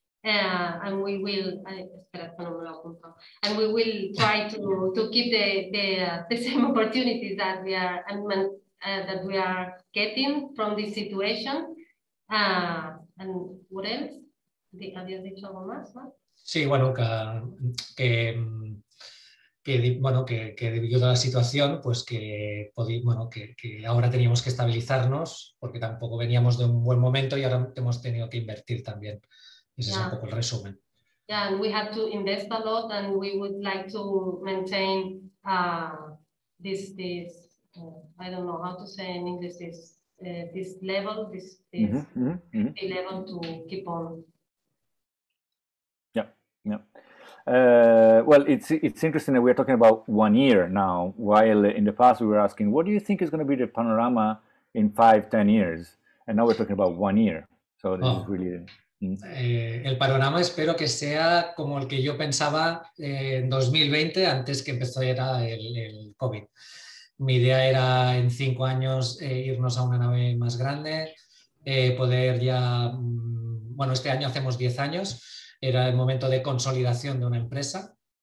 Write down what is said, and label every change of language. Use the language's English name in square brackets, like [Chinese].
[English] And we will try to keep the same opportunities that we are getting from this situation. And what else? [Spanish] ¿Habías dicho algo más? Sí, bueno, que debido a la situación, pues que ahora teníamos que estabilizarnos porque tampoco veníamos de un buen momento y ahora hemos tenido que invertir también. Ese es un poco el resumen. [English] Yeah, and we have to invest a lot and we would like to maintain this I don't know how to say in English this this level, this this mm-hmm, mm-hmm. level to keep on. Well, it's interesting that we are talking about 1 year now, while in the past we were asking, what do you think is going to be the panorama in 5-10 years? And now we're talking about 1 year. So this is really... [Spanish] El panorama espero que sea como el que yo pensaba en 2020 antes que empezara el COVID. Mi idea era en 5 años irnos a una nave más grande, poder ya, bueno, este año hacemos 10 años, era el momento de consolidación de una empresa.